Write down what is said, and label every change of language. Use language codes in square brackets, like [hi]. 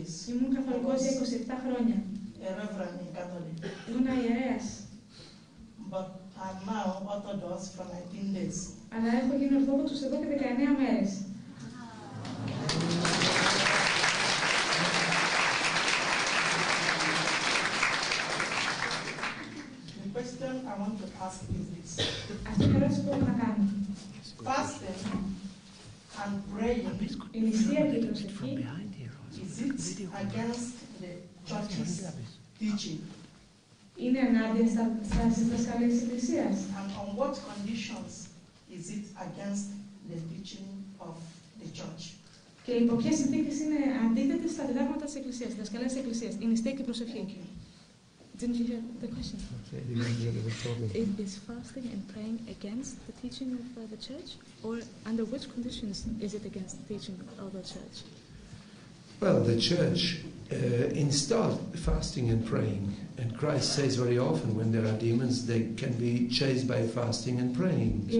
[el] Ήμουν καθολικός για 27 χρόνια. Ερεύραν, Κατολική. Ήμουν ιερέας. [en] But I'm now Orthodox for 19 days. [el] Αλλά έχω γίνει Ορθόδοξος εδώ και 19 μέρες. [en] The question I want to ask is this. [el] Αυτή η ερώτηση που έχω να κάνω. [en] Fasting and praying. [el] Η νηστεία και η προσευχή. [en] Is it against the church's teaching? In another sense, and on what conditions is it against the teaching of the church? [el] Και υπό ποιες συνθήκες είναι αντίθετες στα διδάγματα της Εκκλησίας, στις δασκαλίες της Εκκλησίας. Η νηστεία και η προσευχή. [en] Is this fasting and praying against the teaching of the church, or under which conditions is it against the teaching of the church? Well, the church installed fasting and praying, and Christ says very often when there are demons, they can be chased by fasting and praying.